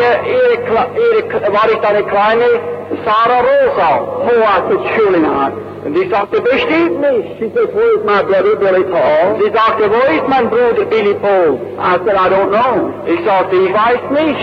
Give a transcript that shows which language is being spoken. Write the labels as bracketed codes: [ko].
[de] War ich deine kleine Sarah Rosa? [en] Oh, I said, surely not. [de] Und ich sagte, bestimmt nicht. [en] She said, where is my brother, Billy Paul? [de] Sie sagte, wo ist mein Bruder, Billy Paul? [en] I said, I don't know. [de] Ich sagte, ich weiß nicht.